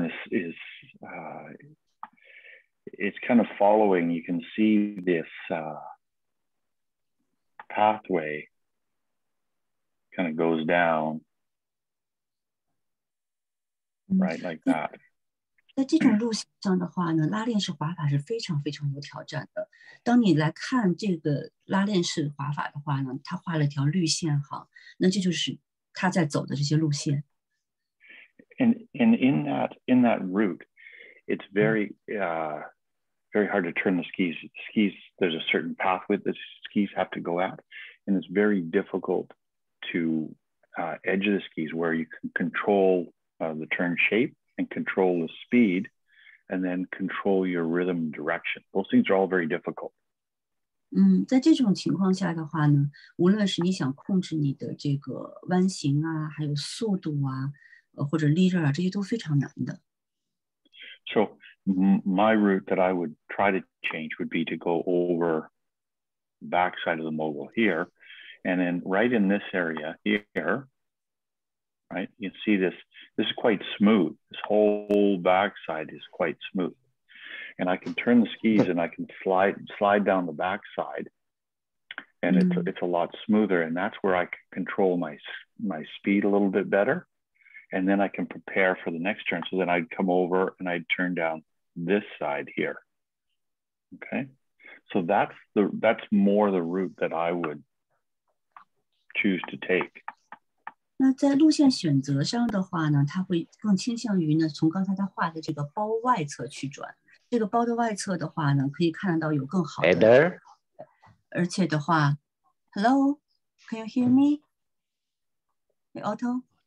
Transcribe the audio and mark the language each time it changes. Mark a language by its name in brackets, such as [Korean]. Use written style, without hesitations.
[English] And the zipper line is kind of following. You can see this pathway kind of goes down, right, like that. [Chinese] 在这种路线上的话呢，拉链式滑法是非常非常有挑战的。当你来看这个拉链式滑法的话呢，它画了一条绿线哈，那这就是它在走的这些路线。 [English] And in that route, it's very hard to turn the skis. There's a certain pathway that skis have to go at, and it's very difficult to edge the skis where you can control the turn shape. And control the speed, and then control your rhythm direction. Those things are all very difficult. [Chinese] 在这种情况下的话呢，无论是你想控制你的这个弯形啊，还有速度啊，或者力刃啊，这些都非常难的。 [English] So my route that I would try to change would be to go over back side of the mogul here, and then right in this area here. Right, you see this. This is quite smooth. This whole backside is quite smooth, and I can turn the skis and I can slide down the backside, and it's a lot smoother. And that's where I can control my speed a little bit better, and then I can prepare for the next turn. So then I'd come over and I'd turn down this side here. Okay, so that's more the route that I would choose to take. [Chinese] 那在路线选择上的话呢，它会更倾向于呢，从刚才他画的这个包外侧去转。这个包的外侧的话呢，可以看得到有更好的。 [English] Heather? [Chinese] 而且的话 [English] ，Hello, can you hear me? Hey, Otto.